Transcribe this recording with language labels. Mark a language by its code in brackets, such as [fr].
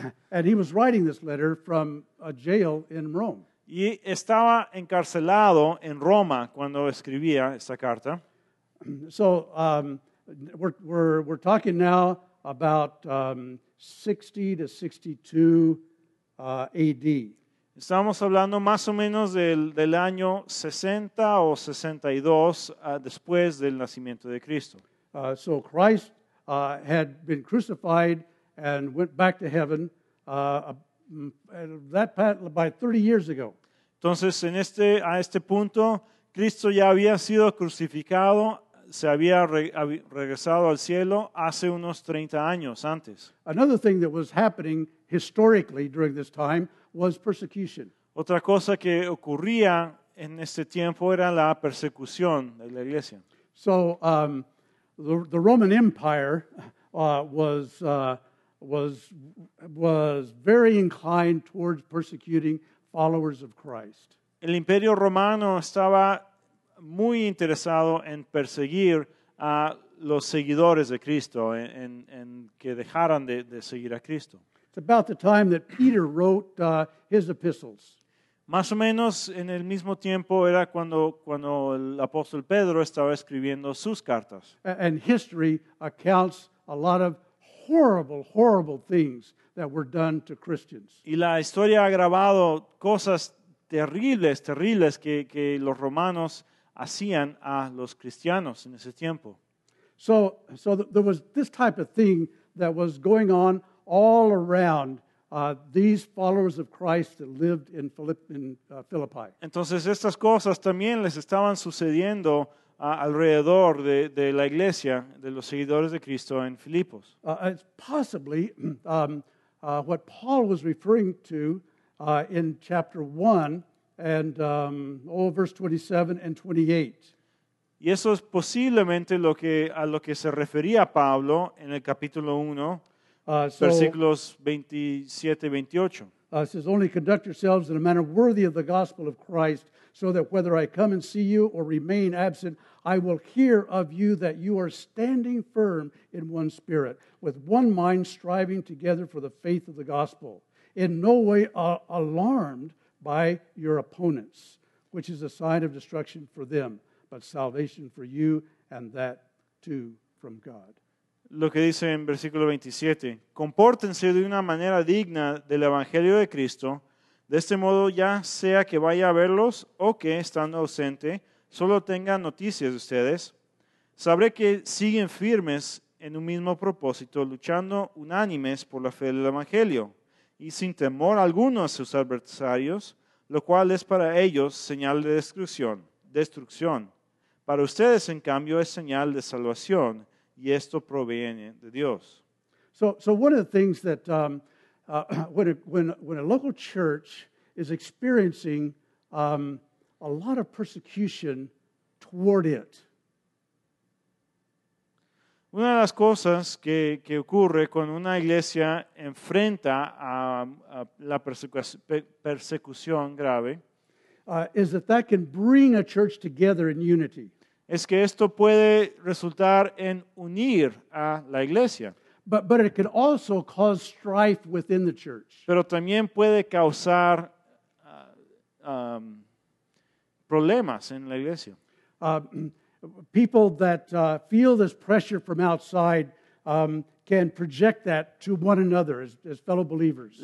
[en] And he was writing this letter from a jail in Rome. [es] Y estaba encarcelado en Roma cuando escribía esta carta. [en] So we're talking now about 60 to 62 AD. [es] Estamos hablando más o menos del año 60 o 62 después del nacimiento de Cristo. [en] So Christ had been crucified and went back to heaven by 30 years ago. [es] Entonces, a este punto, Cristo ya había sido crucificado, se había regresado al cielo hace unos 30 años antes. [en] Another thing that was happening historically during this time was persecution. [es] Otra cosa que ocurría en este tiempo era la persecución de la iglesia. [en] So the Roman Empire was very inclined towards persecuting followers of Christ. [es] El Imperio Romano estaba muy interesado en perseguir a los seguidores de Cristo, en que dejaran de seguir a Cristo. [en] It's about the time that Peter wrote his epistles. [es] Más o menos en el mismo tiempo era cuando el apóstol Pedro estaba escribiendo sus cartas. [en] And history accounts a lot of horrible, horrible things that were done to Christians. [es] Y la historia ha grabado cosas terribles, terribles que los romanos hacían a los cristianos en ese tiempo. [en] So there was this type of thing that was going on all around these followers of Christ that lived in Philippi. [es] Entonces estas cosas también les estaban sucediendo alrededor de la iglesia de los seguidores de Cristo en Filipos. [en] It's possibly what Paul was referring to in chapter 1 and verse 27 and 28. [es] Y eso es posiblemente a lo que se refería Pablo en el capítulo 1. Versículos 27-28. [en] It says, only conduct yourselves in a manner worthy of the gospel of Christ, so that whether I come and see you or remain absent, I will hear of you that you are standing firm in one spirit, with one mind striving together for the faith of the gospel, in no way alarmed by your opponents, which is a sign of destruction for them, but salvation for you, and that too from God. [es] Lo que dice en versículo 27, compórtense de una manera digna del Evangelio de Cristo, de este modo ya sea que vaya a verlos o que, estando ausente, solo tengan noticias de ustedes, sabré que siguen firmes en un mismo propósito, luchando unánimes por la fe del Evangelio, y sin temor alguno a sus adversarios, lo cual es para ellos señal de destrucción. Para ustedes, en cambio, es señal de salvación, y esto proviene de Dios. [en] So one of the things that when a local church is experiencing a lot of persecution toward it. [es] Una de las cosas que ocurre cuando una iglesia enfrenta a la persecución grave [en] is that can bring a church together in unity. [es] Es que esto puede resultar en unir a la iglesia. [en] But it can also cause strife within the church. [es] Pero también puede causar problemas en la iglesia. [en] People that feel this pressure from outside can project that to one another as fellow believers.